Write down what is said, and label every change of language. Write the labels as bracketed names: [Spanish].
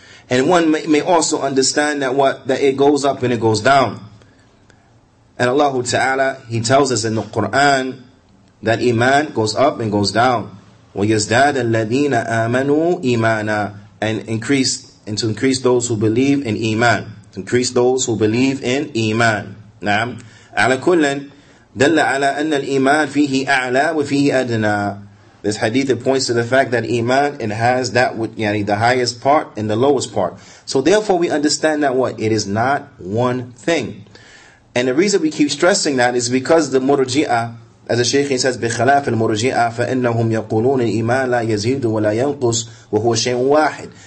[English] And one may also understand that what, that it goes up and it goes down. And Allah Ta'ala, He tells us in the Quran that iman goes up and goes down. [Arabic] وَيَزْدَادَ الَّذِينَ آمَنُوا إِيمَانًا. [English] And increase, and to increase those who believe in iman. To increase those who believe in iman. Naam. [Arabic] على كلٍ دل على أن الإيمان فيه أعلى وفيه أدنى [English] This hadith, it points to the fact that iman, it has that with yani, the highest part and the lowest part. So therefore we understand that what? It is not one thing. And the reason we keep stressing that is because the murji'ah, as the Shaykh says, [Arabic] بِخَلَافِ الْمُرْجِئَةِ فَإِنَّهُمْ يَقُولُونَ الْإِيمَانَ لَا يَزِيدُ وَلَا يَنْقُسْ وَهُوَ شَيْءٌ وَاحِدٌ.